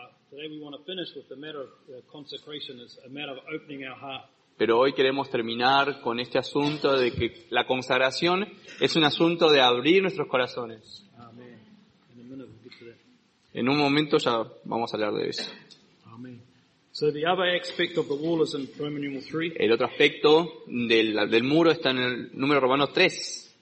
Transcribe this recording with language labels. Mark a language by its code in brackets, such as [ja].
[en] Today we want to finish with the matter of consecration, it's a matter of opening our heart. [es] Pero hoy queremos terminar con este asunto de que la consagración es un asunto de abrir nuestros corazones. [en] Amen. In a minute we'll get to that. [es] En un momento ya vamos a hablar de eso. [en] Amen. So the other aspect of the wall is in Roman numeral 3. [es] El otro aspecto del muro está en el número romano 3.